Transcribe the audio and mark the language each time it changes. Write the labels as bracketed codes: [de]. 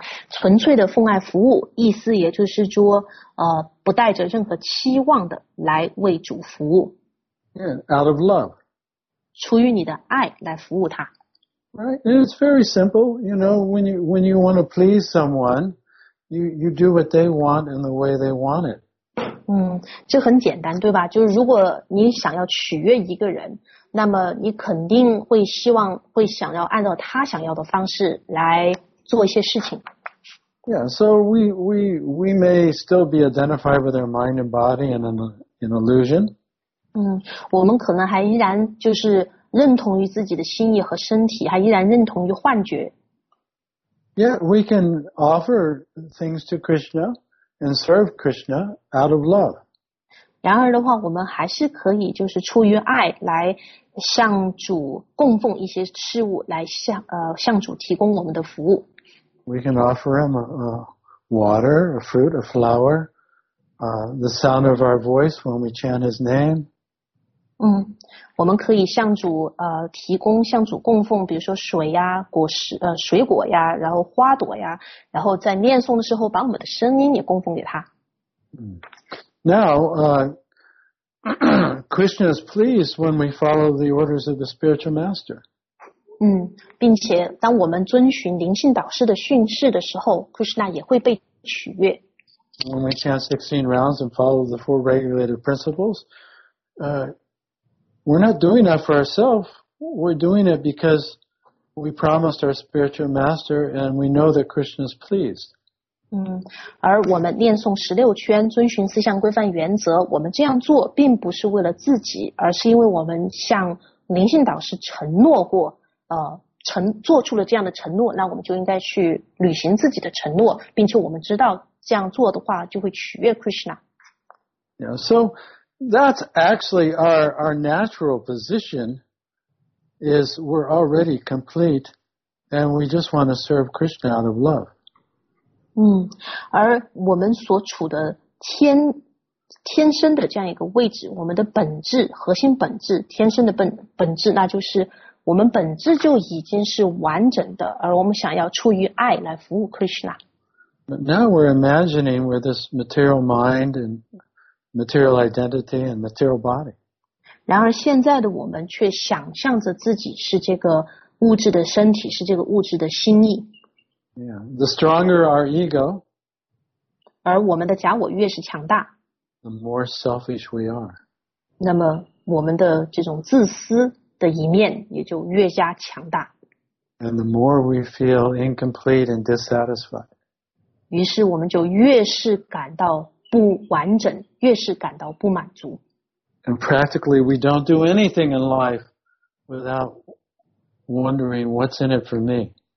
[zh] 纯粹的奉爱服务意思也就是说不带着任何期望的来为主服务。 [en] Yeah, out of love. [zh] 出于你的爱来服务他。 [en] Right, and it's very simple, you know, when you want to please someone, you do what they want in the way they want it. [zh] 嗯，这很简单，对吧？就是如果你想要取悦一个人，那么你肯定会希望，会想要按照他想要的方式来做一些事情。 [en] Yeah, so we may still be identified with our mind and body in an illusion. [zh] 嗯，我们可能还依然就是认同于自己的心意和身体，还依然认同于幻觉。 [en] Yeah, we can offer things to Krishna and serve Krishna out of love. [zh] 然而的话，我们还是可以就是出于爱来向主供奉一些事物，来向主提供我们的服务。 [en] We can offer him a water, a fruit, a flower, the sound of our voice when we chant his name. [zh] 嗯，我们可以向主提供向主供奉，比如说水呀、果实水果呀，然后花朵呀，然后在念诵的时候把我们的声音也供奉给他。 [en] 嗯 ，Now, Krishna is pleased when we follow the orders of the spiritual master. [zh] 嗯，并且当我们遵循灵性导师的训示的时候 ，Krishna 也会被取悦。 [en] When we chant 16 rounds and follow the four regulative principles, We're not doing that for ourselves. We're doing it because we promised our spiritual master and we know that Krishna is pleased. [zh] 而我们念诵十六圈，遵循四项规范原则，我们这样做并不是为了自己，而是因为我们向灵性导师承诺过，做出了这样的承诺，那我们就应该去履行自己的承诺，并且我们知道这样做的话就会取悦 Krishna. [en] Yeah, so,That's actually our natural position is we're already complete and we just want to serve Krishna out of love. [zh] 而我们所处的天生的这样一个位置，我们的本质，核心本质，天生的本质，那就是我们本质就已经是完整的，而我们想要出于爱来服务 Krishna. [en] But now we're imagining with this material mind and material identity and material body. [zh] 然而现在的我们却想象着自己是这个物质的身体，是这个物质的心意。 [en] Yeah, the stronger our ego, [zh] 而我们的假我越是强大， [en] the more selfish we are. [zh] 那么我们的这种自私的一面也就越加强大。 [en] And the more we feel incomplete and dissatisfied. [zh] 于是我们就越是感到不完整，越是感到不满足。 [en] And practically, we don't do anything in life without wondering what's in it for me.